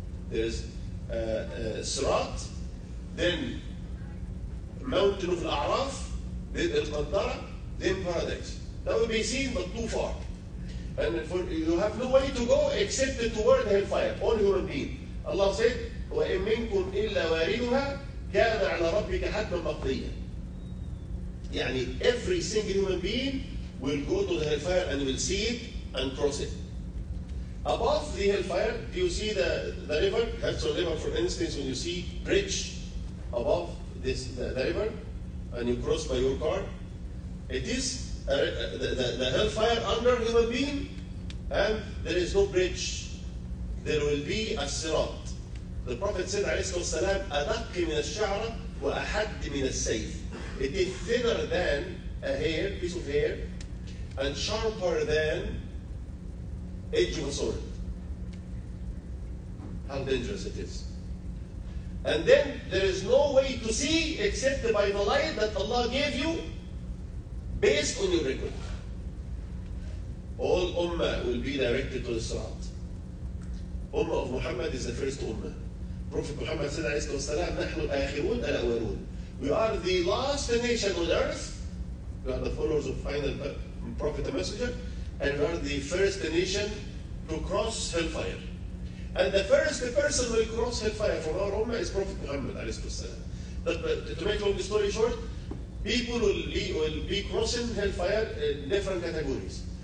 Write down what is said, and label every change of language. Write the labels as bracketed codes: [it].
[en] There is Sirat, then mountain of Al-A'raf, then Al-Qantara, then paradise. That will be seen but too far. And for you have no way to go except toward hellfire, all human being. Allah said, [ar] وَإِن مِنْكُمْ إِلَّا وَارِدُهَا كَانَ عَلَى رَبِّكَ حَتَّى مَقْضِيًّا. [en] يعني every single human being will go to the hellfire and will see it and cross it. Above the hellfire, do you see the river? Hudson River, for instance, when you see bridge above this the river and you cross by your car, it is the hellfire under human being, and there is no bridge. There will be a sirat. The Prophet said, [ar] عليه الصلاة والسلام, أدق من الشعرة وأحد من السيف. [en] It is thinner than a hair, piece of hair, and sharper than edge of a sword. How dangerous it is. And then there is no way to see except by the light that Allah gave you based on your record. All ummah will be directed to the Sirat. Ummah of Muhammad is the first ummah. Prophet Muhammad said, [ar] عليه الصلاة والسلام, نحن الآخرون الأولون. [en] We are the last nation on earth. We are the followers of final Prophet and Messenger. And we are the first nation to cross hellfire. And the first person who will cross hellfire from our ummah is Prophet Muhammad, [ar] عليه الصلاة والسلام. [en] But to make long story short, people will be crossing hellfire in different categories.